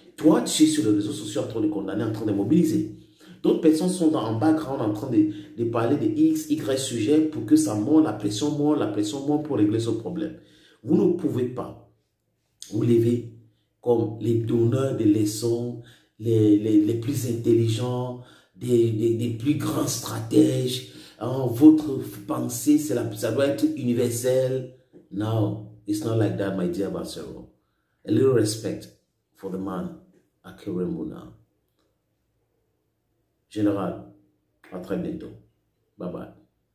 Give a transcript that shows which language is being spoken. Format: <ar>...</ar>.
<fr>Toi, tu es sur les réseaux sociaux en train de condamner, en train de mobiliser. D'autres personnes sont en background en train de parler de X, Y sujets pour que ça monte, la pression monte pour régler ce problème. Vous ne pouvez pas vous lever comme les donneurs de leçons, les plus intelligents, des plus grands stratèges. Hein, votre pensée, ça doit être universel.</fr> <en>No, it's not like that, my dear Marcelo. A little respect for the man. Akeremona.</en> <fr>Général, à très bientôt. Bye bye.</fr>